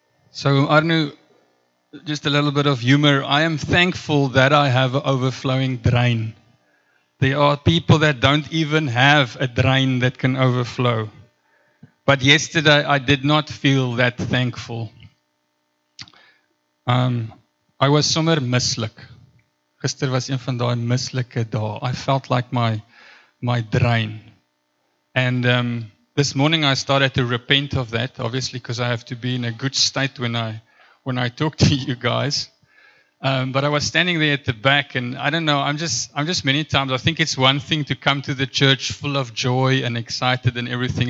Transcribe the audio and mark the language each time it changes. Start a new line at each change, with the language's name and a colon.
English: So Arnu, just a little bit of humor. I am thankful that I have an overflowing drain. There are people that don't even have a drain that can overflow. But yesterday I did not feel that thankful. I was sommer mislik.
Afrikaans: Gister was een van daai mislike dae.
English: I felt like my drain. And this morning I started to repent of that, obviously because I have to be in a good state when I talk to you guys. But I was standing there at the back, and I don't know, I'm just many times, I think it's one thing to come to the church full of joy and excited and everything.